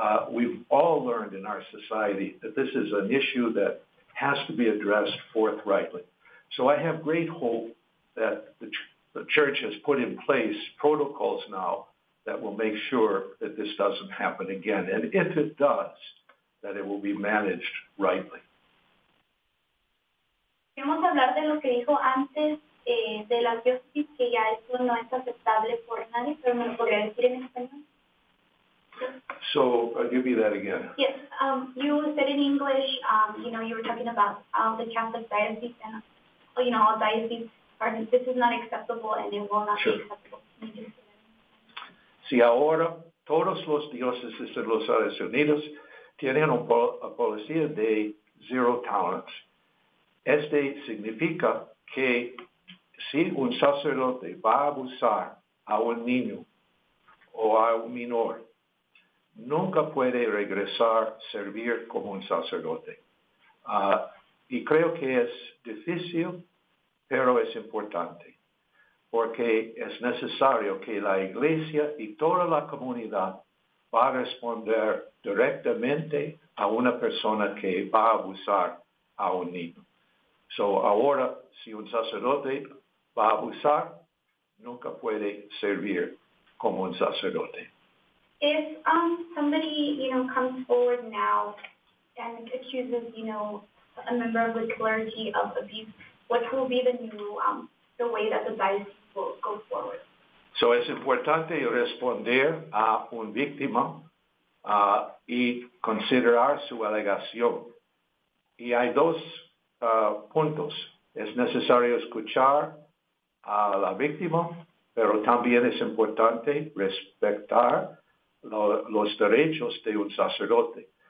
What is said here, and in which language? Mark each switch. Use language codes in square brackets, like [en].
[en] We've all learned in our society that this is an issue that has to be addressed forthrightly. So I have great hope that the church has put in place protocols now that will make sure that this doesn't happen again. And if it does, that it will be managed rightly. [es] Queremos hablar de lo que dijo antes de la diócesis, que ya eso no es aceptable por nadie, pero me lo podría decir en español. [en] So, give me that again. Yes, you said in English, you know, you were talking about the Catholic diocese, and, you know, all dioceses are, this is not acceptable, and it will not sure. be acceptable. [es] Si ahora todos los dioceses de los Estados Unidos tienen una policía de zero tolerance. Este significa que si un sacerdote va a abusar a un niño o a un menor, nunca puede regresar a servir como un sacerdote. Y creo que es difícil, pero es importante, porque es necesario que la Iglesia y toda la comunidad va a responder directamente a una persona que va a abusar a un niño. So ahora, si un sacerdote va a abusar, nunca puede servir como un sacerdote. [en] If somebody, you know, comes forward now and accuses, you know, a member of the clergy of abuse, what will be the new, the way that the diocese will go forward? [es] So es importante responder a un víctima y considerar su alegación. Y hay dos puntos. Es necesario escuchar a la víctima, pero también es importante respetar los derechos de un sacerdote.